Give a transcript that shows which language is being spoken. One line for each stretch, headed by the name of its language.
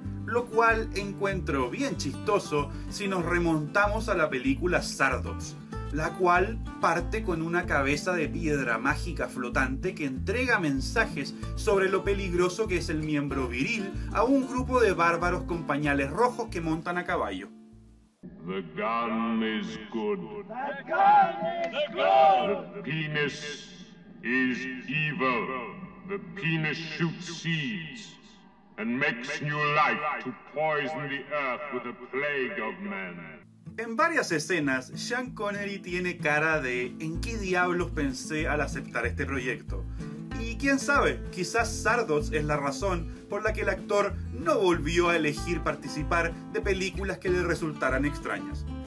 Spanish: Lo cual encuentro bien chistoso si nos remontamos a la película Sardots, la cual parte con una cabeza de piedra mágica flotante que entrega mensajes sobre lo peligroso que es el miembro viril a un grupo de bárbaros con pañales rojos que montan a caballo.
English: The gun is good. The gun is good. The penis is evil. The penis shoots seeds and makes new life to poison the earth with a plague of men.
Spanish: En varias escenas, Sean Connery tiene cara de ¿en qué diablos pensé al aceptar este proyecto? Y quién sabe, quizás Sardots es la razón por la que el actor no volvió a elegir participar de películas que le resultaran extrañas.